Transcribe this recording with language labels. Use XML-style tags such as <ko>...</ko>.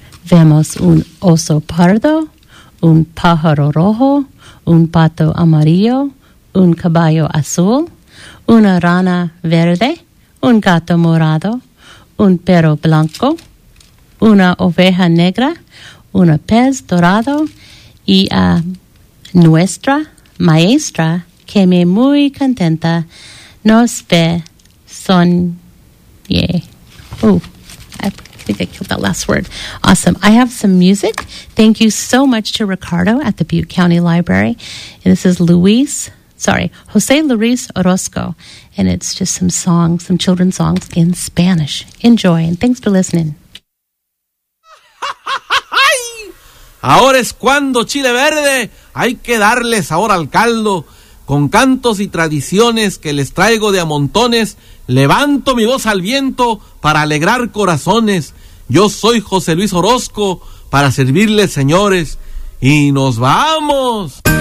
<es>Vemos un oso pardo, un pájaro rojo, un pato amarillo, un caballo azul, una rana verde, un gato morado, un perro blanco, una oveja negra, un pez dorado y a nuestra maestra que me muy contenta nos ve soñé.</es> <en>I think I killed that last word. Awesome. I have some music. Thank you so much to Ricardo at the Butte County Library. And this is Jose Luis Orozco. And it's just some songs, some children's songs in Spanish. Enjoy, and thanks for listening.</en> <es>Ahora es cuando Chile Verde hay que darles ahora al caldo. Con cantos y tradiciones que les traigo de a montones, levanto mi voz al viento para alegrar corazones. Yo soy José Luis Orozco para servirles, señores, y nos vamos.</es>